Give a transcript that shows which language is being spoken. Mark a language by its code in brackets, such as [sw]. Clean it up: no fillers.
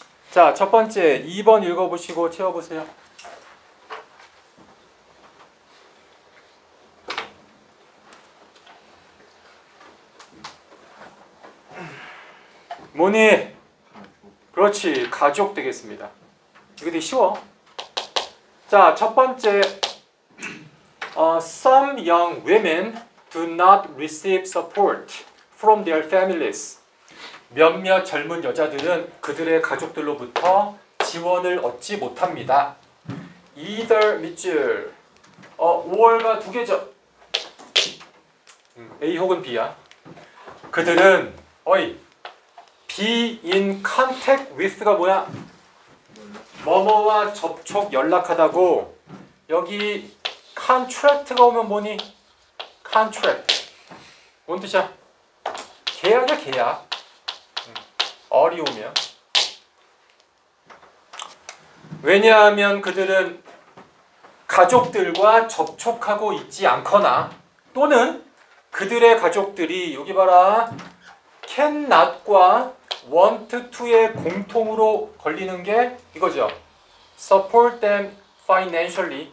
[ko] 자, 첫 번째 2번 읽어보시고 채워보세요. 뭐니? 그렇지, 가족 되겠습니다. 이거 되게 쉬워. 자, 첫 번째 [en] some young women do not receive support from their families. [ko] 몇몇 젊은 여자들은 그들의 가족들로부터 지원을 얻지 못합니다. Either 밑줄 or가 두 개죠. A 혹은 B야. 그들은 어이 [en] be in contact with [ko] 가 뭐야? 뭐뭐와 접촉 연락하다고. 여기 contract가 오면 뭐니? contract 뭔 뜻이야? 계약이야, 계약. 어려우면. 왜냐하면 그들은 가족들과 접촉하고 있지 않거나 또는 그들의 가족들이 여기 봐라 [en] can not [ko] 과 want to의 공통으로 걸리는 게 이거죠. [en] support them financially.